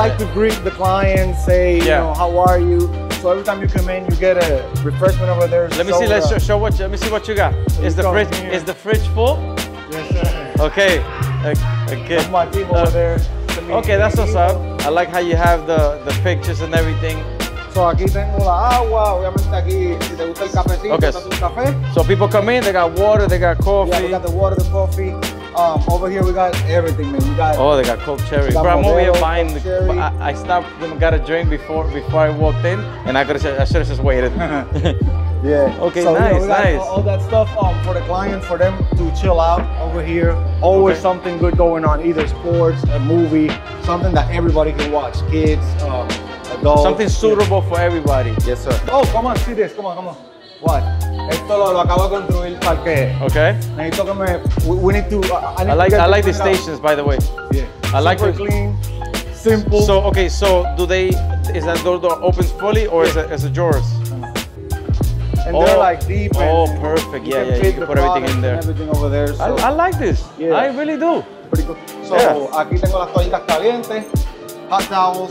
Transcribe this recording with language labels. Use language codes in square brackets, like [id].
[en] I like to greet the client, say, you know, how are you? So every time you come in, you get a refreshment over there. Let me see what you got. Is the fridge full? Yes, sir. Okay. That's my team over there. Okay, that's what's up. I like how you have the pictures and everything. [es] So aquí tengo la agua, obviamente aquí, si te gusta el cafecito, okay. Está tu café. [en] So people come in, they got water, they got coffee. Yeah, we got the water, the coffee. Over here we got everything, man. They got Coke Cherry. Bro, I'm over here buying the Coke Cherry. I stopped and got a drink before I walked in, and I should have just waited. Yeah. Okay, so, nice, you know, nice. All that stuff for the client, for them to chill out over here. Always something good going on, either sports, a movie, something that everybody can watch, kids, adults. Something suitable for everybody. Yes, sir. Oh, come on, see this, come on. What? [es] Esto lo acabo de construir para que. [en] Okay. [es] Necesito que me, [en] we need to, I like the stations, by the way. Yeah. I like super clean, simple. So do they, is that door open fully or is it drawers? And they're like deep. Oh, perfect. Yeah, yeah. You can put everything in there. Everything over there. So. I like this. Yeah. I really do. Pretty cool. [es] So, aquí tengo las toallitas calientes, [en] hot towels.